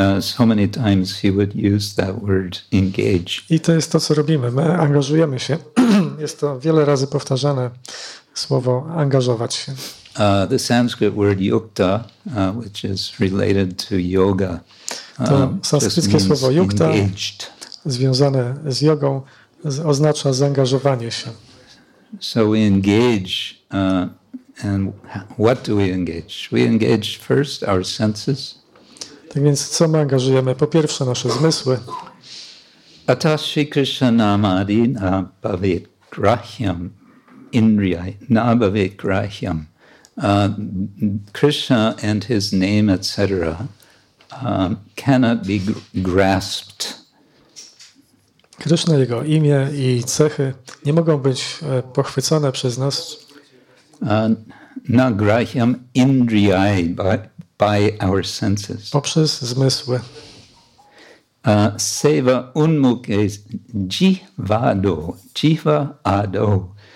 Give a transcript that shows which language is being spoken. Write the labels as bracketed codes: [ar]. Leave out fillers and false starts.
[en] So many times he would use that word, engage. [pl] I to jest to, co robimy. My angażujemy się. Jest to wiele razy powtarzane słowo angażować się. [en] The Sanskrit word yukta, which is related to yoga. [pl] To sanskryckie słowo yukta, engaged, związane z jogą, oznacza zaangażowanie się. [en] So we engage, and what do we engage? We engage first our senses. [pl] Tak więc co my angażujemy? Po pierwsze nasze zmysły. [sa] Atah Shri Krishna namadi na bhavet grahyam indriyai, na bhavet grahyam. [en] Krishna and his name, etc., cannot be grasped. [pl] Krishna, jego imię i cechy nie mogą być pochwycone przez nas. [sa] Na grahyam indriyai, [en] by our senses. [pl] Poprzez zmysły. [sa] Seva unmukhe jivado, jiva ado.